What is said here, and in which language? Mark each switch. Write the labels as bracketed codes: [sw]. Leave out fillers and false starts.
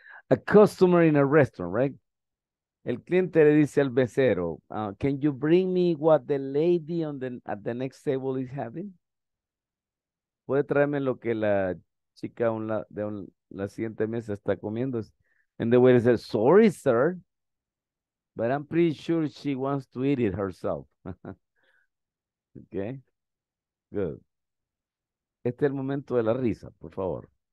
[en] A customer in a restaurant, right? [es] El cliente le dice al mesero, [en] can you bring me what the lady at the next table is having? [es] ¿Puede traerme lo que la chica la siguiente mesa está comiendo? [en] And the waiter says, sorry, sir, but I'm pretty sure she wants to eat it herself. Okay, good. [es] Este es el momento de la risa, por favor.